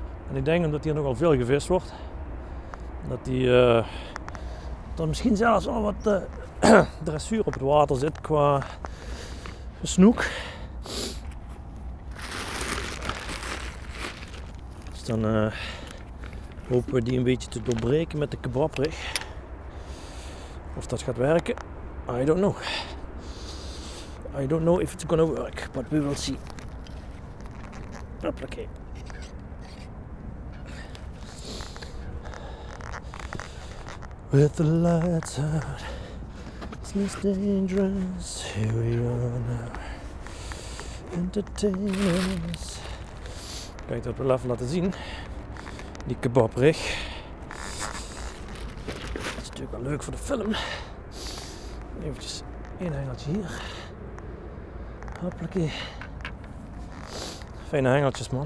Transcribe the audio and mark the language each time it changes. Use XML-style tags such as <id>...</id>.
<nl>En ik denk omdat hier nogal veel gevist wordt. Dat die dat er misschien zelfs wel wat dressuur op het water zit qua snoek. Dus dan hopen we die een beetje te doorbreken met de kebabrig. Of dat gaat werken,</nl> <en>I don't know. I don't know if it's gonna work, but we will see. Hoppakee. With the lights out, it's less dangerous. Here we are now, entertainers.</en> <nl>Kijk, dat wil even laten zien. Die kebabrig. Dat is natuurlijk wel leuk voor de film. Even een hengeltje hier. Hoppakee. Fijne hengeltjes, man.</nl>